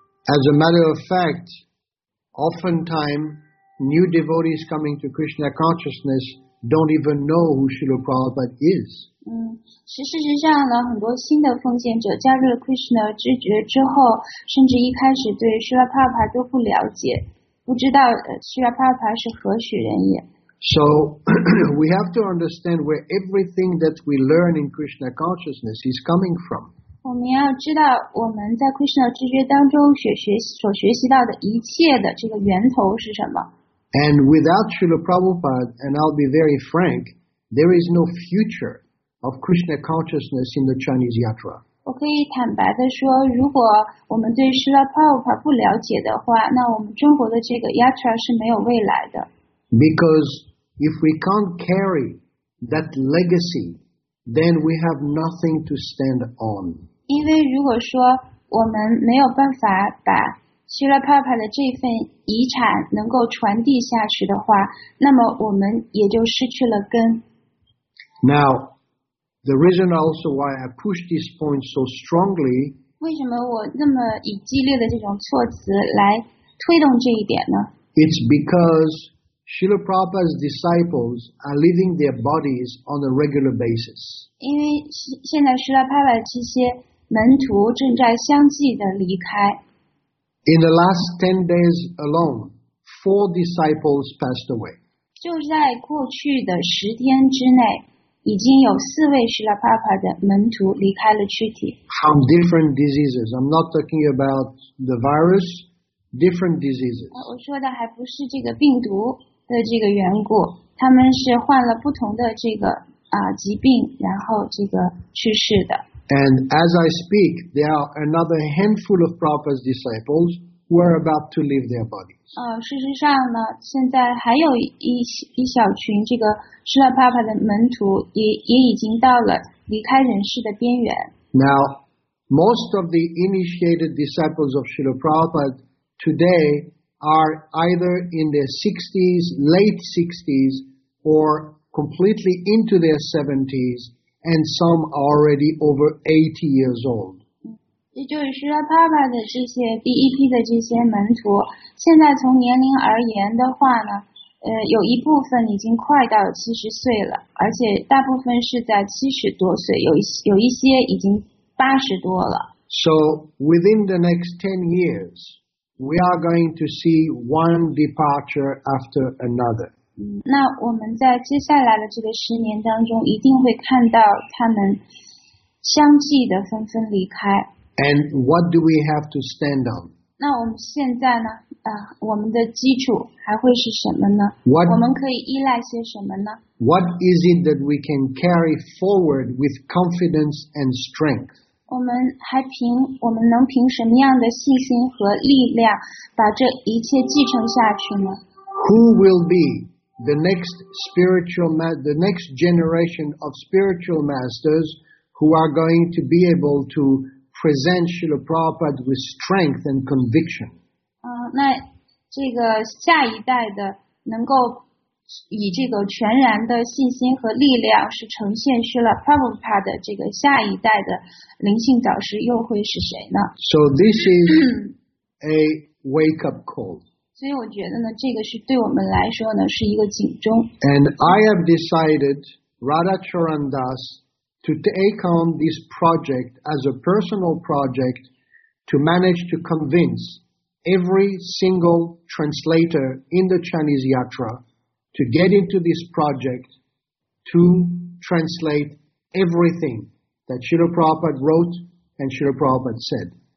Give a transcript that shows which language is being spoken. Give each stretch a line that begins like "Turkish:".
English: As a matter of fact, oftentimes new devotees coming to Krishna consciousness don't even know who Srila Prabhupada is.
Chinese: 事实上呢，很多新的奉献者加入了 Krishna 知觉之后，甚至一开始对 Srila Prabhupada 都不了解，不知道 Srila Prabhupada 是何许人也。
English: So we have to understand where everything that we learn in Krishna consciousness is coming from.
Chinese: 我们要知道我们在 Krishna 知觉当中所学习到的一切的这个源头是什么。
English: And without Srila Prabhupada, and I'll be very frank, there is no future of Krishna consciousness in the Chinese Yatra.
Chinese: 我可以坦白地说，如果我们对 Srila Prabhupada 不了解的话，那我们中国的这个 Yatra 是没有未来的。
English: Because if we can't carry that legacy, then we have nothing to stand on.
Chinese: 因为如果说我们没有办法把希拉帕帕的这份遗产能够传递下去的话，那么我们也就失去了根。
English: Now, the reason also why I push this point so strongly.
Chinese: 为什么我那么以激烈的这种措辞来推动这一点呢？
English: It's because Srila Prabhupada's disciples are leaving their bodies on a regular basis.
Chinese: 因为现在希拉帕帕这些门徒正在相继的离开。
English: In the last 10 days alone, 4 disciples passed away.
Chinese: 就在过去的十天之内，已经有四位释迦牟尼的门徒离开了躯体。
English: From different diseases, I'm not talking about the virus, different diseases.
Chinese: 我说的还不是这个病毒的这个缘故，他们是患了不同的这个疾病，然后这个去世的。
English: And as I speak, there are another handful of Prabhupada's disciples who are about to leave their bodies.
Chinese: 事实上呢，现在还有一小群这个释迦牟尼的门徒也已经到了离开人世的边缘。
English: Now, most of the initiated disciples of Srila Prabhupada today are either in their 60s, late 60s, or completely into their 70s,And some are already over 80 years old.
Chinese: 也就是说，帕帕的这些第一批的这些门徒，现在从年龄而言的话呢，有一部分已经快到70岁了，而且大部分是在70多岁，有一些已经80多了。
English: So within the next 10 years, we are going to see one departure after another.
Chinese: 那我们在接下来的这个十年当中一定会看到他们相继的纷纷离开。
English: And what do we have to stand on?
Chinese: 那我们现在呢我们的基础还会是什么呢
English: what,
Chinese: 我们可以依赖些什么呢
English: What is it that we can carry forward with confidence and strength?
Chinese: 我们能凭什么样的信心和力量把这一切继承下去呢
English: Who will be? The next generation of spiritual masters who are going to be able to present Srila Prabhupada with strength and conviction.
Chinese: 那这个下一代的能够以这个全然的信心和力量是呈现Srila Prabhupada的这个下一代的灵性导师又会是谁呢
English: ？So this is a wake-up call.
Chinese: 所以我觉得呢，这个是对我们来说呢是一个警钟。
English: And I have decided Radha Charan Das to take on this project as a personal project to manage to convince every single translator in the Chinese Yatra to get into this project to translate everything that Srila Prabhupada wrote and Srila Prabhupada said.